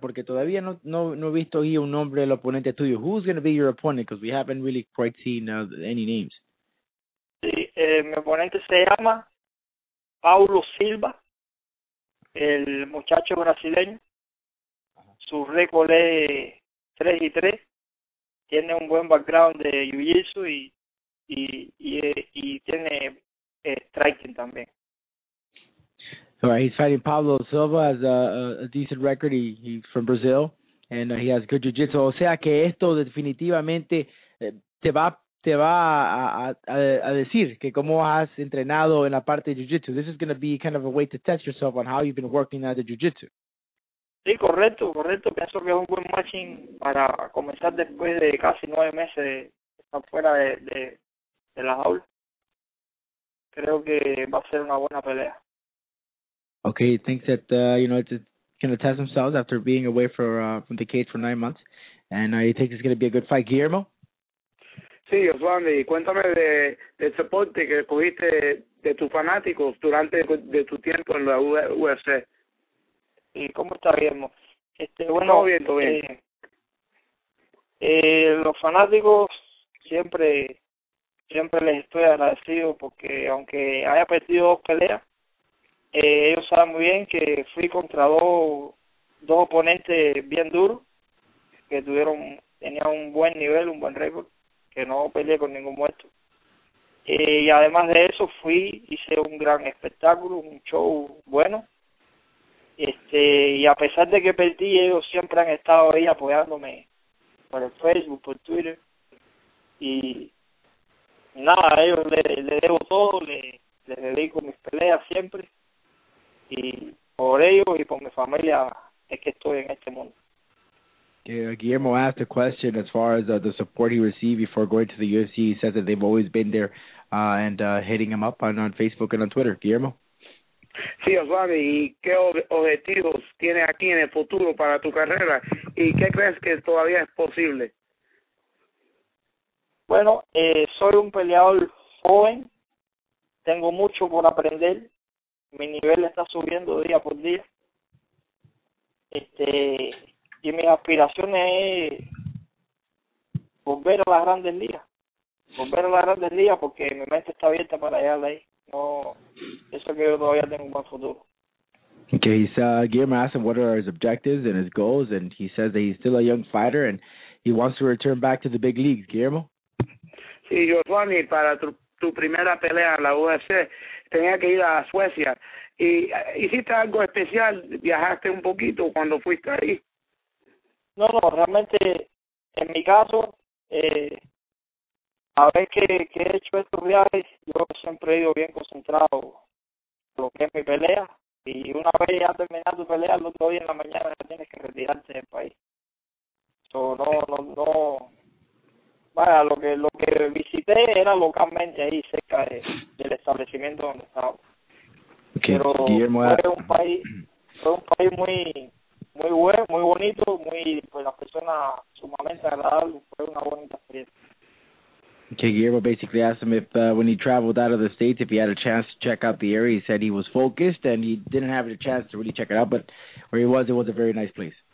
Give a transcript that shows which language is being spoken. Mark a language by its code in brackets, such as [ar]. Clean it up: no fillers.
[es] Porque todavía no he visto ahí un nombre del oponente tuyo. [en] Who's going to be your opponent? Because we haven't really quite seen any names. [es] Sí, mi oponente se llama Paulo Silva, el muchacho brasileño. Su récord es 3-3. Tiene un buen background de jiu-jitsu y tiene striking también. [en] All right, he's fighting Pablo Silva, has a decent record, he's from Brazil, and he has good jiu-jitsu. [es] O sea que esto definitivamente te va a decir que cómo has entrenado en la parte de jiu-jitsu. [en] This is going to be kind of a way to test yourself on how you've been working at the jiu-jitsu. [es] Sí, correcto. Pienso que es un buen matching para comenzar después de casi 9 meses de estar fuera de la jaula. Creo que va a ser una buena pelea. [en] Okay, he thinks that, it's going to test himself after being away from the cage for 9 months. And he thinks it's going to be a good fight. Guillermo? [es] Sí, Oswaldo, cuéntame del soporte que cogiste de tus fanáticos durante de tu tiempo en la UFC. ¿Y cómo está, Guillermo? Bueno, todo bien, todo bien. Los fanáticos siempre les estoy agradecido porque aunque haya perdido 2 peleas, ellos saben muy bien que fui contra dos oponentes bien duros, que tenían un buen nivel, un buen récord, que no peleé con ningún muerto. Y además de eso, hice un gran espectáculo, un show bueno. Y a pesar de que perdí, ellos siempre han estado ahí apoyándome por el Facebook, por Twitter. Y nada, a ellos les debo todo, les dedico mis peleas siempre. Y por ellos y por mi familia es que estoy en este mundo. [en] Guillermo asked a question as far as the support he received before going to the UFC. He said that they've always been there hitting him up on Facebook and on Twitter. Guillermo? [es] Sí, Osvaldo, ¿y qué objetivos tiene aquí en el futuro para tu carrera? ¿Y qué crees que todavía es posible? Bueno, soy un peleador joven. Tengo mucho por aprender. Mi nivel está subiendo día por día. Y mis aspiraciones es volver a las grandes ligas. Volver a las grandes ligas porque mi mente está abierta para llegar ahí. No, eso que yo todavía tengo un buen futuro. [en] Okay, so Guillermo asked him what are his objectives and his goals, and he says that he's still a young fighter and he wants to return back to the big leagues. Guillermo? [es] Sí, yo, Juani, para tu primera pelea en la UFC, tenía que ir a Suecia. ¿Y hiciste algo especial? ¿Viajaste un poquito cuando fuiste ahí? No, realmente, en mi caso, a ver que he hecho estos viajes, yo siempre he ido bien concentrado en lo que es mi pelea. Y una vez ya terminado tu pelea, el otro día en la mañana ya tienes que retirarte del país. No. Bueno, lo que visité era localmente ahí cerca del establecimiento donde estaba. Okay. Pero Guillermo, fue un país muy muy bueno, muy bonito, pues las personas sumamente agradables, fue una bonita experiencia. [en] Que Guillermo basically asked him if when he traveled out of the States, if he had a chance to check out the area. He said he was focused and he didn't have a chance to really check it out, but where he was, it was a very nice place.